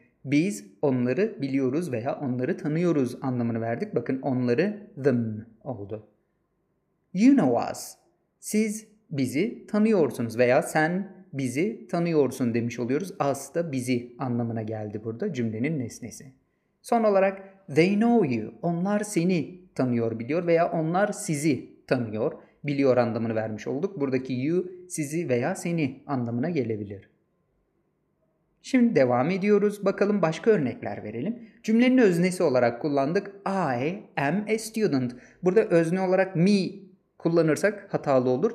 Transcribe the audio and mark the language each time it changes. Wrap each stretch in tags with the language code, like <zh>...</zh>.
<tr>Biz onları biliyoruz veya onları tanıyoruz anlamını verdik. Bakın onları them oldu.</tr> <en>You know us.</en> <tr>Siz bizi tanıyorsunuz veya sen bizi tanıyorsun demiş oluyoruz. Us da bizi anlamına geldi burada cümlenin nesnesi. Son olarak</tr> <en>they know you.</en> <tr>Onlar seni tanıyor biliyor veya onlar sizi tanıyor biliyor anlamını vermiş olduk. Buradaki you sizi veya seni anlamına gelebilir. Şimdi devam ediyoruz. Bakalım başka örnekler verelim. Cümlenin öznesi olarak kullandık.</tr> <en>I am a student.</en> <tr>Burada özne olarak me kullanırsak hatalı olur.</tr>